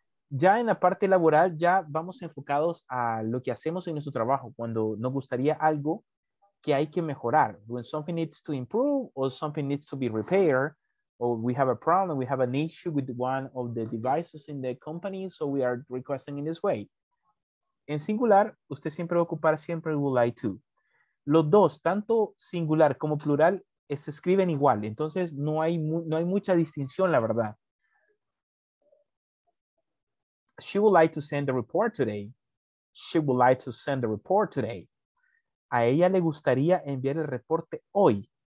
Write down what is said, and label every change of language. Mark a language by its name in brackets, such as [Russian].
[Spanish] Ya en la parte laboral, ya vamos enfocados a lo que hacemos en nuestro trabajo, cuando nos gustaría algo que hay que mejorar. [English] When something needs to improve or something needs to be repaired, or we have a problem, we have an issue with one of the devices in the company, so we are requesting in this way. [Spanish] En singular, usted siempre va a ocupar siempre [English] would like to. [Spanish] Los dos, tanto singular como plural, se escriben igual. Entonces, no hay mucha distinción, la verdad. [English] She would like to send the report today. She would like to send the report today. [Spanish] A ella le gustaría enviar el reporte hoy.